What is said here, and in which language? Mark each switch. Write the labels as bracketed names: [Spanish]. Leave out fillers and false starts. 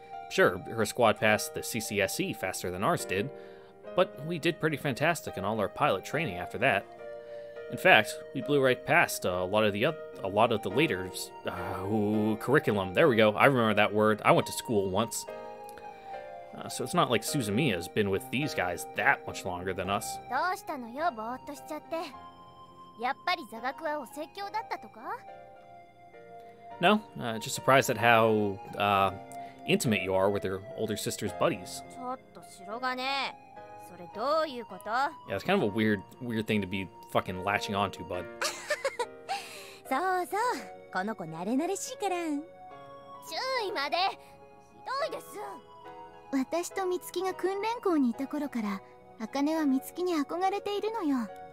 [English] Sure, her squad passed the CCSE faster than ours did, but we did pretty fantastic in all our pilot training after that. In fact, we blew right past a lot of the later curriculum. There we go, I remember that word. I went to school once. So it's not like Suzumiya's been with these guys that much longer than us. [Japanese] どうしたのよ、ぼーっとしちゃって。やっぱり座学はお説教だったとか? [English] No, just surprised at how intimate you are with your older sister's buddies. [Japanese] ちょっと白金、それどういうこと? [English] Yeah, it's kind of a weird thing to be fucking latching onto, bud. [Japanese] そうそう、この子慣れ慣れしいから。注意まで、ひどいです。私と美月が訓練校にいた頃から、茜は美月に憧れているのよ。